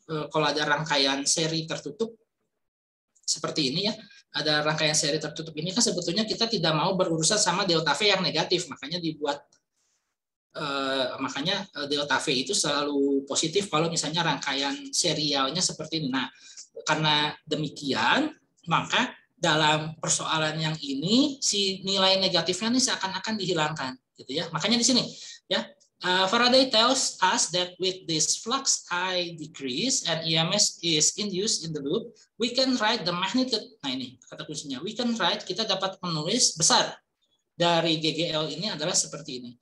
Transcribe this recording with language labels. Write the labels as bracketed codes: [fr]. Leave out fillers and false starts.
[id] kalau ada rangkaian seri tertutup seperti ini ya, ada rangkaian seri tertutup ini kan sebetulnya kita tidak mau berurusan sama delta V yang negatif, makanya dibuat makanya delta V itu selalu positif kalau misalnya rangkaian serialnya seperti ini. Nah karena demikian, maka dalam persoalan yang ini si nilai negatifnya ini seakan-akan dihilangkan gitu ya. Makanya di sini ya, [en] Faraday tells us that with this flux I decrease and EMS is induced in the loop, we can write the magnitude. [id] Nah ini kata kuncinya, [en] we can write, [id] kita dapat menulis besar dari GGL ini adalah seperti ini.